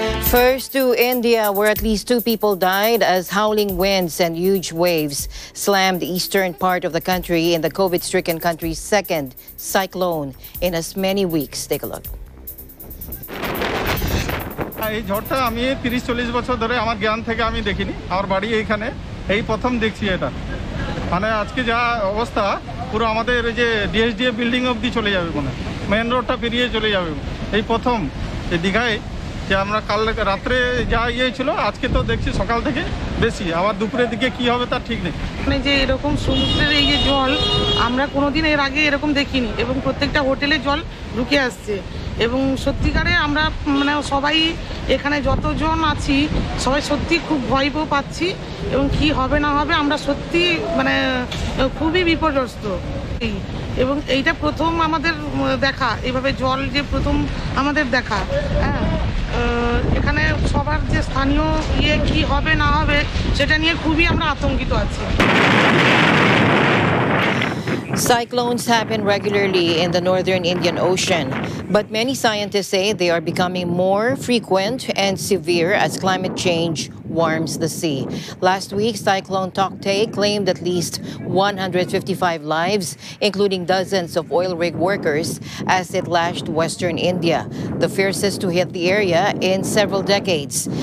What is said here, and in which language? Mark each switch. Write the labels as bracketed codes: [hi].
[en] First to India, where at least two people died as howling winds and huge waves slammed the eastern part of the country in the COVID-stricken country's second cyclone in as many weeks. Take a look. [bn] এই ঝড়টা আমি 30-40 বছর ধরে আমার জ্ঞান থেকে আমি দেখিনি আমার বাড়ি এইখানে এই প্রথম দেখছি এটা মানে আজকে যা অবস্থা পুরো আমাদের যে ডিএসডিএ বিল্ডিং অফ দি চলে যাবে মনে মেইন রোডটা ফিরিয়ে চলে যাবে এই প্রথম যে দিঘায় যে আমরা কাল রাত্রে যা ইয়েছিল আজকে তো দেখছি সকাল থেকে বেশি আবার দুপুরের দিকে কি হবে তার ঠিক নেই মানে যে এরকম সমুদ্রের এই যে জল আমরা কোনোদিন এর আগে এরকম দেখিনি এবং প্রত্যেকটা হোটেলে জল ঢুকে আসছে এবং সত্যিকারে আমরা মানে সবাই এখানে যতজন আছি সবাই সত্যি খুব ভয় পেয়ে পাচ্ছি এবং কি হবে না হবে আমরা সত্যি মানে খুবই বিপর্যস্ত এবং এইটা প্রথম আমাদের দেখা এইভাবে জল যে প্রথম আমাদের দেখা হ্যাঁ এখানে সবার যে স্থানীয় ইয়ে কি হবে না হবে সেটা নিয়ে খুবই আমরা আতঙ্কিত আছি [en] Cyclones happen regularly in the northern Indian Ocean, but many scientists say they are becoming more frequent and severe as climate change warms the sea. Last week, Cyclone Toktay claimed at least 155 lives, including dozens of oil rig workers, as it lashed western India, the fiercest to hit the area in several decades.